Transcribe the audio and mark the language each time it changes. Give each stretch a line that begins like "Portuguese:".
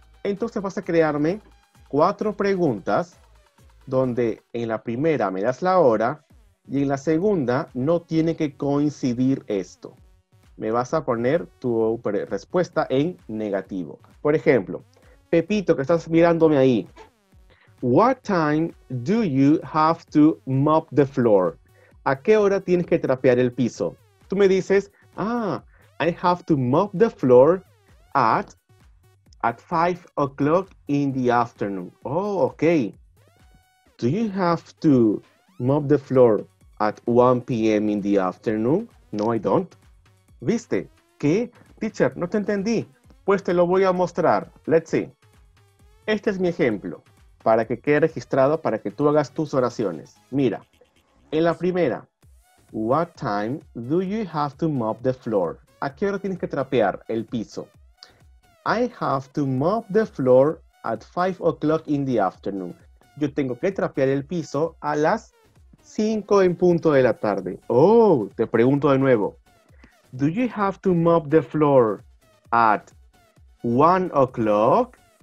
Spanish: Entonces vas a crearme cuatro preguntas donde en la primera me das la hora y en la segunda no tiene que coincidir esto. Me vas a poner tu respuesta en negativo. Por ejemplo, Pepito, que estás mirándome ahí.
English: What time do you have to mop the floor?
Spanish: ¿A qué hora tienes que trapear el piso? Tú me dices,
English: I have to mop the floor at 5 o'clock in the afternoon. Oh, okay. Do you have to mop the floor at 1 p.m. in the afternoon? No, I don't.
Spanish: ¿Viste? ¿Qué? Teacher, no te entendí. Pues te lo voy a mostrar.
English: Let's see.
Spanish: Este es mi ejemplo para que quede registrado para que tú hagas tus oraciones. Mira, en la primera,
English: what time do you have to mop the floor?
Spanish: ¿A qué hora tienes que trapear el piso?
English: I have to mop the floor at 5 o'clock in the afternoon.
Spanish: Yo tengo que trapear el piso a las 5 en punto de la tarde. Oh, te pregunto de nuevo.
English: Do you have to mop the floor at 1 o'clock?